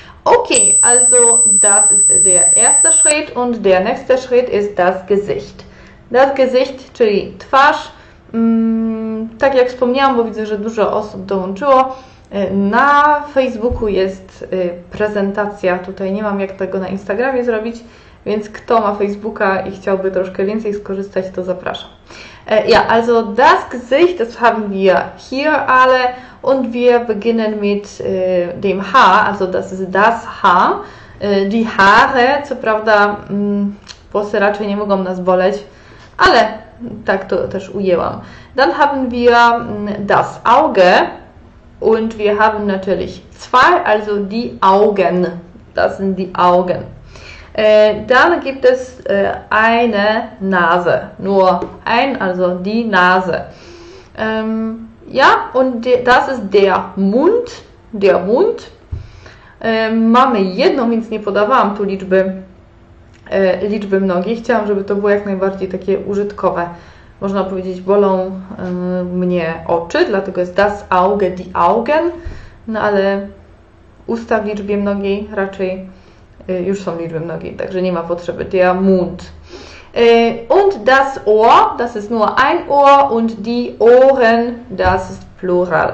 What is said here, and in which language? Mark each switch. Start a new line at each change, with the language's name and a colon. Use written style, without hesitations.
German: Okay, also das ist der erste Schritt und der nächste Schritt ist das Gesicht.
Polish: Das Gesicht, czyli twarz. Tak jak wspomniałam, bo widzę, że dużo osób dołączyło. Na Facebooku jest prezentacja. Tutaj nie mam jak tego na Instagramie zrobić, więc kto ma Facebooka i chciałby troszkę więcej skorzystać, to zapraszam.
German: Ja, also das Gesicht, das haben wir hier alle und wir beginnen mit dem Haar, also das ist das Haar.
Polish: Die Haare, co prawda, włosy raczej nie mogą nas boleć, ale tak to też ujęłam.
German: Dann haben wir das Auge und wir haben natürlich zwei, also die Augen. Das sind die Augen. Dann gibt es eine Nase, nur ein, also die Nase. Ja, und das ist der Mund, der Mund.
Polish: Mamy jedną, więc nie podawałam tu liczby mnogiej. Chciałam, żeby to było jak najbardziej takie użytkowe. Można powiedzieć, bolą mnie oczy, dlatego jest das Auge, die Augen. No ale usta w liczbie mnogiej raczej już są liczby mnogiej, także nie ma potrzeby.
German: Der Mund. Und das Ohr, das ist nur ein Ohr und die Ohren, das ist plural.